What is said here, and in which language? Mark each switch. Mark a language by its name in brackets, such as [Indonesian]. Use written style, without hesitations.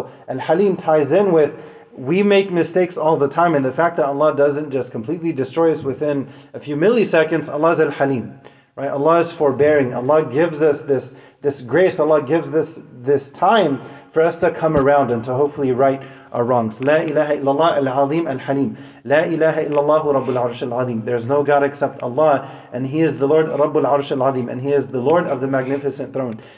[English] So Al-Halim ties in with, we make mistakes all the time, and the fact that Allah doesn't just completely destroy us within a few milliseconds, Allah is Al-Halim. Right? Allah is forbearing. Allah gives us this grace. Allah gives us this time for us to come around and to hopefully right our wrongs. [Arabic] لا إله إلا الله العظيم الحليم. لا إله إلا الله رب العرش العظيم. [English] There is no God except Allah, and He is the Lord, [Arabic] رب العرش العظيم, [English] and He is the Lord of the magnificent throne.